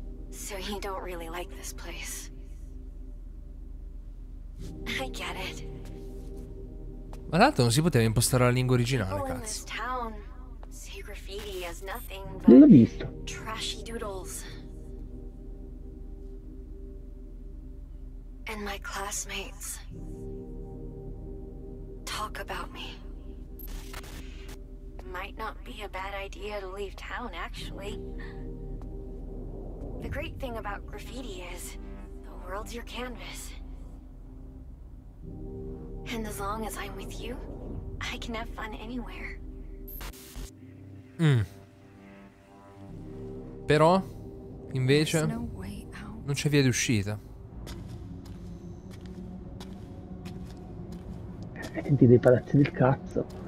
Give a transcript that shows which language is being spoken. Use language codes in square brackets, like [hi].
[en] So you don't really like this place. I get it. [it] Ma l'altro non si poteva impostare la lingua originale, cazzo. [en] In this town, say graffiti as nothing but trashy doodles. And my classmates talk about me. Might not be a bad idea to leave town, actually. The great thing about graffiti is the world's your canvas. And as long as I'm with you, I can have fun anywhere. Mm. [it] Però, invece, non c'è via d'uscita. Senti dei palazzi del cazzo.